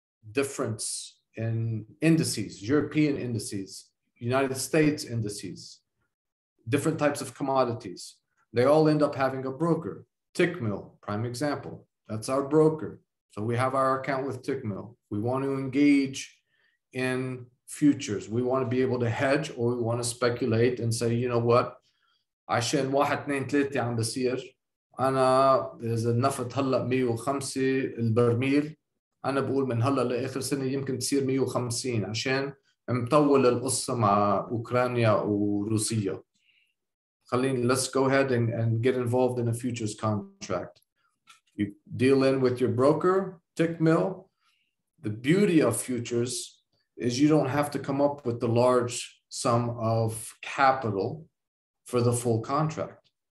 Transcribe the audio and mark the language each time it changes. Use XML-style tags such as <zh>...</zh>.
<en>Difference in indices, European indices, United States indices, different types of commodities. They all end up having a broker. Tickmill, prime example. That's our broker. So we have our account with Tickmill. We want to engage in futures. We want to be able to hedge, or we want to speculate and say, you know what?</en> <ar>عشان واحد اثنين ثلاثة عم بصير أنا إذا النفط هلا 105 البرميل أنا بقول من هلا لآخر سنة يمكن تصير 150 عشان مطول القصة مع أوكرانيا وروسيا. خليني</ar> <en>let's go ahead and get involved in a futures contract. You deal in with your broker, Tickmill. The beauty of futures is you don't have to come up with the large sum of capital for the full contract.</en>